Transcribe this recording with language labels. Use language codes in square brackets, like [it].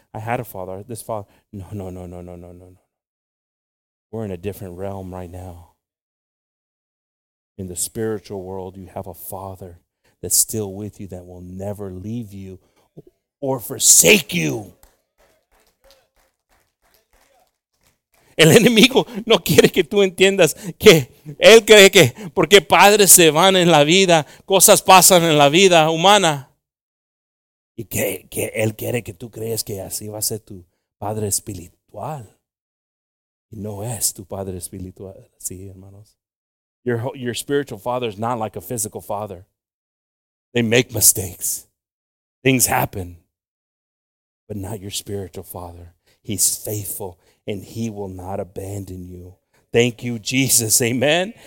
[en] I had a father. This father. No, no, no, no, no, no, no, no. We're in a different realm right now. In the spiritual world, you have a father that's still with you that will never leave you or forsake you. [es] El enemigo no quiere que tú entiendas que él cree que porque padres se van en la vida, cosas pasan en la vida humana. Y que él quiere que tú creas que así va a ser tu padre espiritual. Y no es tu padre espiritual. Sí, hermanos. [en] Your spiritual father is not like a physical father. They make mistakes. Things happen. But not your spiritual father. He's faithful. And he will not abandon you. Thank you, Jesus. Amen.